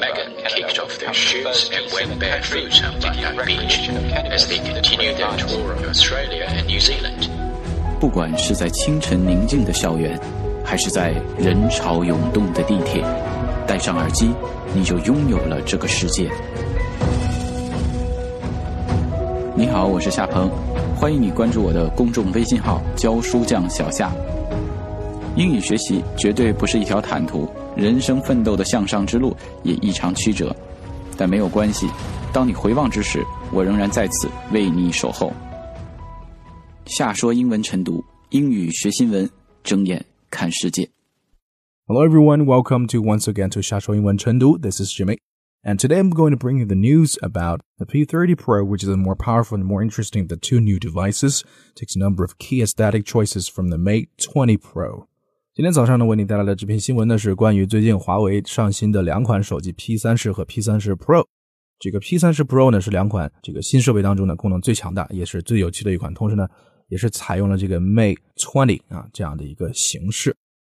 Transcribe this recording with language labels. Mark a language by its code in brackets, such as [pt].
[en] Megan kicked off their shoots and went barefoot on Bondi Beach as they continued their tour of Australia and New Zealand. [zh] 不管是在清晨宁静的校园，还是在人潮涌动的地铁，戴上耳机，你就拥有了这个世界。你好，我是夏鹏，欢迎你关注我的公众微信号教书匠小夏。英语学习绝对不是一条坦途，人生奋斗的向上之路也异常曲折，但没有关系，当你回望之时，我仍然在此为你守候。夏说英文晨读，英语学新闻，睁眼看世界。 [en] Hello everyone, welcome to once again to 夏说英文晨读。This is Jimmy. And today I'm going to bring you the news about the P30 Pro, which is a more powerful and more interesting of the two new devices. It takes a number of key aesthetic choices from the Mate 20 Pro. [zh] 今天早上呢为你带来的这篇新闻呢是关于最近华为上新的两款手机 P30 和 P30 Pro。这个 P30 Pro 呢是两款这个新设备当中的功能最强大也是最有趣的一款，同时呢也是采用了这个 Mate 20 啊这样的一个形式。